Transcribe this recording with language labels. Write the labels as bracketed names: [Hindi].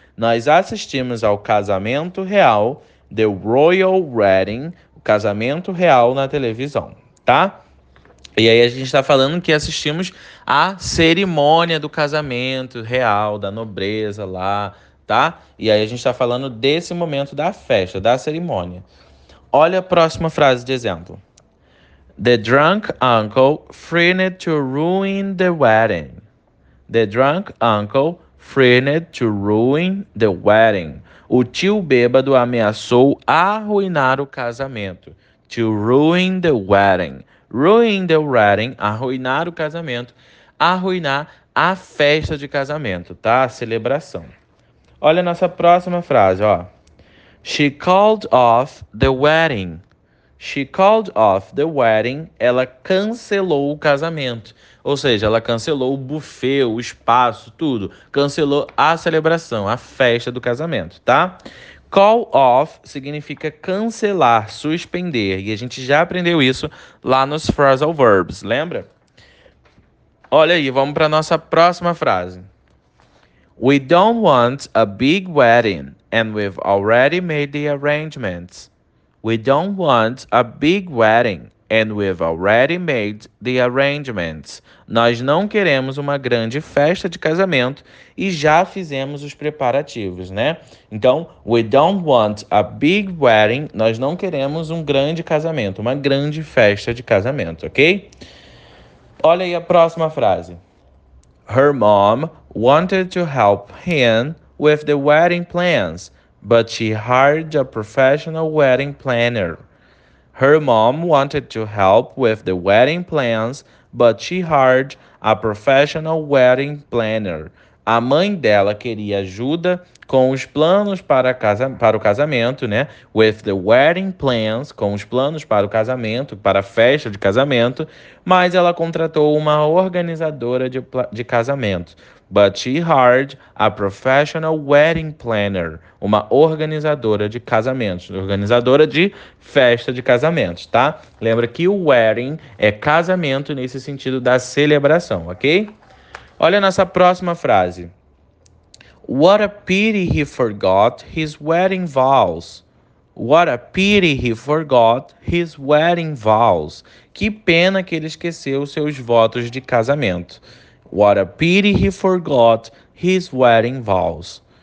[Portuguese] Nós assistimos ao casamento real, [English] the royal wedding, [Portuguese] o casamento real na televisão, tá? E aí a gente está falando que assistimos à cerimônia do casamento real, da nobreza lá, tá? E aí a gente está falando desse momento da festa, da cerimônia. Olha a próxima frase de exemplo. [English] The drunk uncle threatened to ruin the wedding. The drunk uncle threatened to ruin the wedding. [Portuguese] O tio bêbado ameaçou arruinar o casamento. [English] To ruin the wedding. [Portuguese] Ruin the wedding, arruinar o casamento, arruinar a festa de casamento, tá? A celebração. Olha a nossa próxima frase, ó. [English] She called off the wedding. She called off the wedding. [Portuguese] Ela cancelou o casamento. Ou seja, ela cancelou o buffet, o espaço, tudo. Cancelou a celebração, a festa do casamento, tá? Call off significa cancelar, suspender. E a gente já aprendeu isso lá nos phrasal verbs, lembra? Olha aí, vamos para nossa próxima frase. [English] We don't want a big wedding and we've already made the arrangements. We don't want a big wedding And we've already made the arrangements. [Portuguese] Nós não queremos uma grande festa de casamento e já fizemos os preparativos, né? Então, [English] we don't want a big wedding. [Portuguese] Nós não queremos um grande casamento, uma grande festa de casamento, ok? Olha aí a próxima frase. [English] Her mom wanted to help him with the wedding plans, but she hired a professional wedding planner. Her mom wanted to help with the wedding plans, but she hired a professional wedding planner. [Portuguese] A mãe dela queria ajuda com os planos para casa, para o casamento, né? [English] With the wedding plans, [Portuguese] com os planos para o casamento, para a festa de casamento, mas ela contratou uma organizadora de casamento. [English] But she hired a professional wedding planner, [Portuguese] uma organizadora de casamentos, organizadora de festa de casamentos, tá? Lembra que o wedding é casamento nesse sentido da celebração, ok? Olha a nossa próxima frase. [English] What a pity he forgot his wedding vows. What a pity he forgot his wedding vows. [Portuguese] Que pena que ele esqueceu os seus votos de casamento. [English] What a pity he forgot his wedding vows.